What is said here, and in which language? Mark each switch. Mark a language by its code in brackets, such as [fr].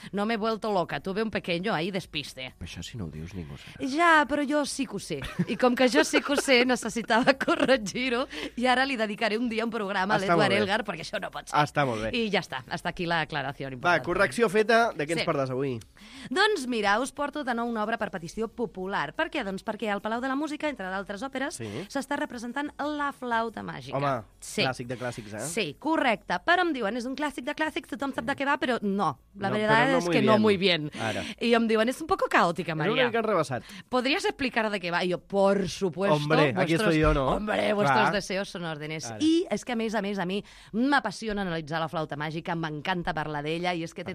[es] No m'he vuelto loca, tuve un pequeño ahí despiste. [ca] Això si no ho dius, ja, però jo sí que ho sé. I com que jo sí que ho sé, necessitava corregir-ho i ara li dedicaré un dia un programa a l'Eduard Elgar perquè això no pot ser. Està molt bé. I ja està. Està aquí l'aclaració important. Va, correcció feta. De què ens parles avui? Doncs mira, us porto de nou una obra per petició popular. Per què? Doncs perquè al Palau de la Música, entre d'altres òperes, s'està representant La flauta màgica. Home, clàssic de clàssics, eh? Sí, correcte. Però em diuen, és un clàssic de clàssics, tothom sap de què va, però no. La veritat és que [es] no muy bien. [ca] I em diuen, és [es] un poco [ca] caòtica, Maria. Rebassat. [es] ¿Podrías explicar de qué va? Y yo, por supuesto. Hombre, aquí vuestros, estoy yo, ¿no? Hombre, vuestros deseos son órdenes. [ca] Ara. I és que, a més, a mi m'apassiona analitzar La flauta màgica, m'encanta parlar d'ella i és que té